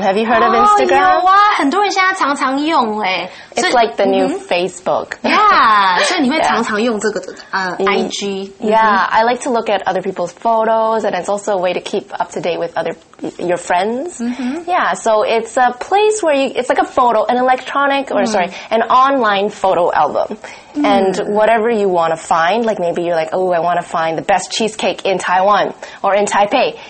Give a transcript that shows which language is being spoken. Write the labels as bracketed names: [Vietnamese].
[English] Have you heard of Instagram? Oh, yeah, [Chinese] 很多人现在常常用耶。 [English] It's so, like the new Facebook. Yeah, [Chinese] 所以你会常常用这个IG. [English] Yeah, I like to look at other people's photos, and it's also a way to keep up to date with your friends. Yeah, so it's a place where it's like a photo, an online photo album. And whatever you want to find, like maybe you're like, oh, I want to find the best cheesecake in Taiwan or in Taipei.